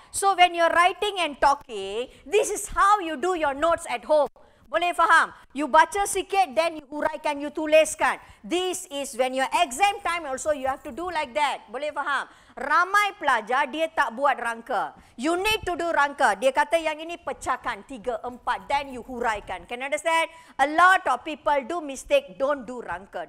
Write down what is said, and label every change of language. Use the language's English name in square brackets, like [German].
[English] So when you're writing and talking, this is how you do your notes at home. [Malay] Boleh faham? [English] You [Malay] baca sikit, [English] then you [Malay] uraikan, [English] you [Malay] tuliskan. [English] This is when your exam time also, you have to do like that. [Malay] Boleh faham? Ramai pelajar, dia tak buat rangka. [English] You need to do rangka. [Malay] Dia kata yang ini pecahkan, 3, 4, [English] then you [Malay] huraikan. [English] Can you understand? A lot of people do mistake, don't do rangka.